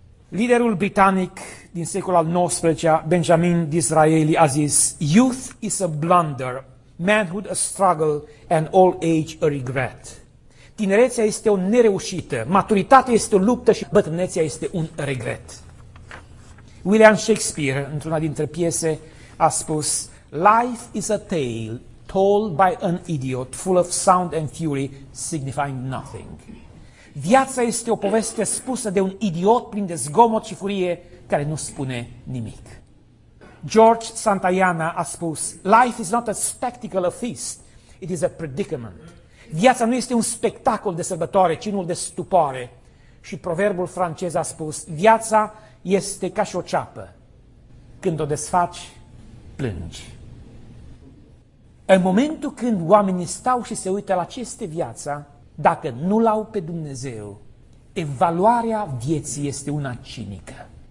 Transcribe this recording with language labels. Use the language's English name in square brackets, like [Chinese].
[Romanian] Liderul britanic din secolul al XIX-lea, Benjamin Disraeli, a zis, [English] youth is a blunder, manhood a struggle, and old age a regret. [Romanian] Tinerețea este o nereușită, maturitatea este o luptă și bătrânețea este un regret. William Shakespeare, într-una dintre piese, a spus, [English] life is a tale told by an idiot, full of sound and fury, signifying nothing. [Romanian] Viața este o poveste spusă de un idiot plin de zgomot și furie care nu spune nimic. George Santayana a spus, [English] life is not a spectacle, a feast, it is a predicament. [Romanian] Viața nu este un spectacol de sărbătoare, ci unul de stupoare. Și proverbul francez a spus, viața este ca și o ceapă. Când o desfaci, plângi. În momentul când oamenii stau și se uită la ce este viața, dacă nu l-au pe Dumnezeu, evaluarea vieții este una cinică.